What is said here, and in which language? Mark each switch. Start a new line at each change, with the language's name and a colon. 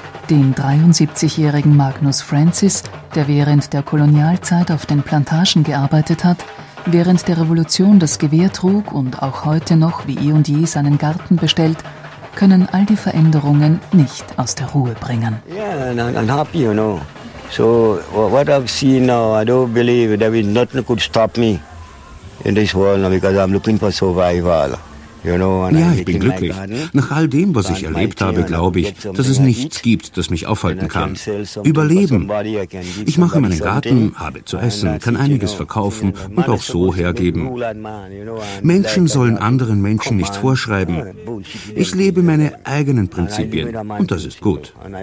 German: Den 73-jährigen Magnus Francis, der während der Kolonialzeit auf den Plantagen gearbeitet hat, während der Revolution das Gewehr trug und auch heute noch wie eh und je seinen Garten bestellt, können all die Veränderungen nicht aus der Ruhe bringen.
English: Yeah, I'm happy, you know. So what I've seen now, I don't believe there is nothing could stop me in this world now because I'm looking for survival.
German: Ja, ich bin glücklich. Nach all dem, was ich erlebt habe, glaube ich, dass es nichts gibt, das mich aufhalten kann. Überleben. Ich mache meinen Garten, habe zu essen, kann einiges verkaufen und auch so hergeben. Menschen sollen anderen Menschen nichts vorschreiben. Ich lebe meine eigenen Prinzipien und das ist gut.